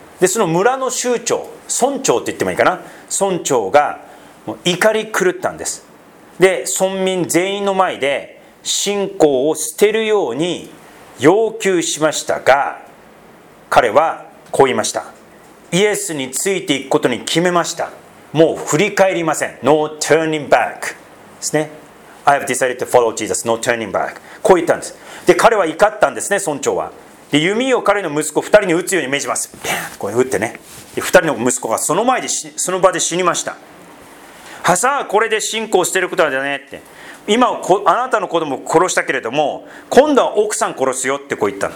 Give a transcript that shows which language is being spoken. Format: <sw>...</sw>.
<ja>でその村の州長、村長って言ってもいいかな、村長が怒り狂ったんです。で、村民全員の前で信仰を捨てるように要求しましたが、彼はこう言いました。イエスについていくことに決めました。もう振り返りません。</ja> <en>No turning back</en> <ja>ですね。</ja> <en>I have decided to follow Jesus. No turning back.</en> <ja>こう言ったんです。で、彼は怒ったんですね、村長は。で、弓を彼の息子2人に撃つように命じます。ビャーンとこう打ってね、で2人の息子がその前で、その場で死にました。はさあ、これで信仰してることだねって、今あなたの子供を殺したけれども今度は奥さん殺すよってこう言ったの。</ja>